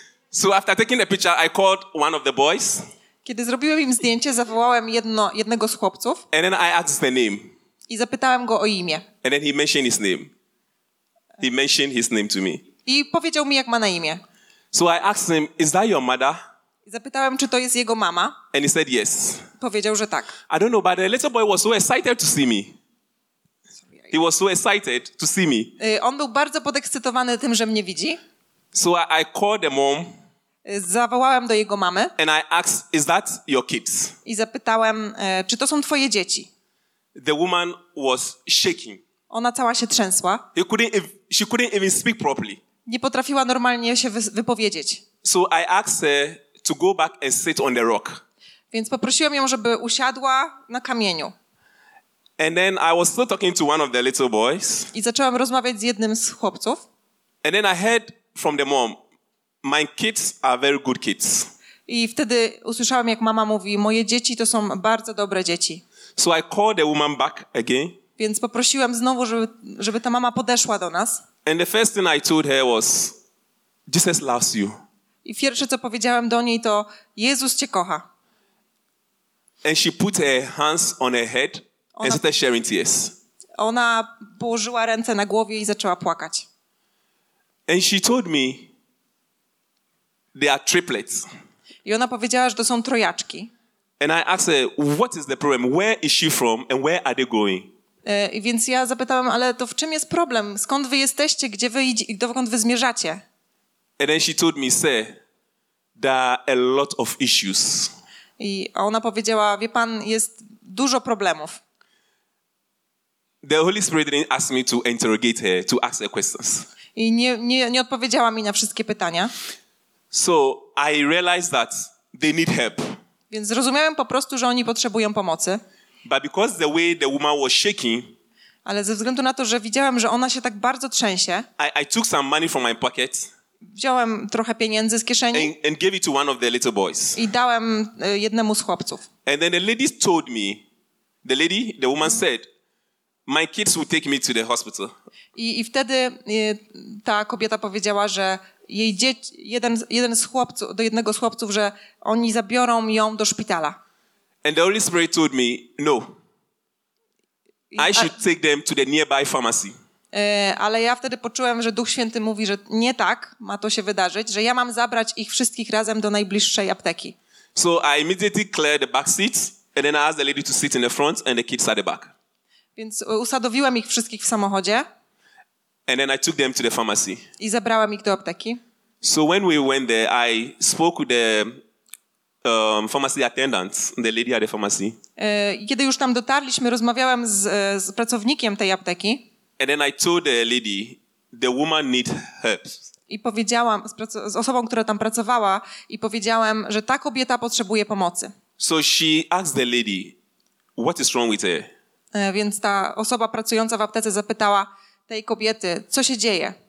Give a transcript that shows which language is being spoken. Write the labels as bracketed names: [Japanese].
[English] So after taking the picture, I called one of the boys. [Polish] Kiedy zrobiłem im zdjęcie, zawołałem jednego z chłopców. [English] And then I asked the name. [Polish] I zapytałem go o imię. [English] And then he mentioned his name. He mentioned his name to me. [Polish] I powiedział mi, jak ma na imię. [English] So I asked him, is that your mother? [Polish] I zapytałem, czy to jest jego mama. [English] And he said yes. [Polish] Powiedział, że tak. [English] I don't know, but the little boy was so excited to see me. He was so excited to see me. [Polish] On był bardzo podekscytowany tym, że mnie widzi. [English] So I called the mom. [Polish] Zawołałem do jego mamy. [English] And I asked, is that your kids? [Polish] I zapytałem, czy to są twoje dzieci? [English] The woman was shaking. [Polish] Ona cała się trzęsła. [English] She couldn't even speak properly. [Polish] Nie potrafiła normalnie się wypowiedzieć. [English] So I asked her to go back and sit on the rock. [Polish] Więc poprosiłem ją, żeby usiadła na kamieniu. [English] And then I was still talking to one of the little boys. [Polish] I zacząłem rozmawiać z jednym z chłopców. [English] And then I heard from the mom, my kids are very good kids. [Polish] I wtedy usłyszałem, jak mama mówi, moje dzieci to są bardzo dobre dzieci. [English] So I called the woman back again. [Polish] Więc poprosiłem znowu, żeby ta mama podeszła do nas. [English] And the first thing I told her was, Jesus loves you. [Polish] I pierwsze, co powiedziałem do niej, to Jezus cię kocha. [English] And she put her hands on her head and started sharing tears. [Polish] Ona położyła ręce na głowie i zaczęła płakać. [English] And she told me, they are triplets. [Polish] I ona powiedziała, że to są trojaczki. [English] And I asked her, what is the problem? Where is she from and where are they going? [Polish] Więc ja zapytałem, ale to w czym jest problem? Skąd wy jesteście? Gdzie wy idzie, dokąd wy zmierzacie? [English] And then she told me, sir, there are a lot of issues. [Polish] I ona powiedziała, wie pan, jest dużo problemów. [English] The Holy Spirit didn't ask me to interrogate her, to ask her questions. [Polish] I nie odpowiedziała mi na wszystkie pytania. [English] So I realized that they need help. [Polish] Więc zrozumiałem po prostu, że oni potrzebują pomocy. [English] But because the way the woman was shaking, [Polish] ale ze względu na to, że widziałem, że ona się tak bardzo trzęsie, [English] I took some money from my pocket. [Polish] Wziąłem trochę pieniędzy z kieszeni [English] and gave it to one of the little boys. [Polish] I dałem jednemu z chłopców. [English] And then the lady told me, the woman said, my kids will take me to the hospital. [Polish] I wtedy ta kobieta powiedziała, że jej dzieci, jeden z chłopców, do jednego z chłopców, że oni zabiorą ją do szpitala. [English] And the Holy Spirit told me, no. I should take them to the nearby pharmacy. [Polish] Ale ja wtedy poczułem, że Duch Święty mówi, że nie tak ma to się wydarzyć, że ja mam zabrać ich wszystkich razem do najbliższej apteki. [English] So I immediately cleared the back seats and then I asked the lady to sit in the front and the kids at the back. [Polish] Więc usadowiłem ich wszystkich w samochodzie. [English] And then I took them to the pharmacy. [Polish] I zabrałem ich do apteki. [English] So when we went there, I spoke with the pharmacy attendant, the lady at the pharmacy. [Polish] Kiedy już tam dotarliśmy, rozmawiałem z pracownikiem tej apteki. [English] And then I told the lady, the woman needs help. [Polish] I powiedziałam z osobą, która tam pracowała, i powiedziałem, że ta kobieta potrzebuje pomocy. [English] So she asked the lady, what is wrong with her? [Polish] Więc ta osoba pracująca w aptece zapytała tej kobiety, co się dzieje.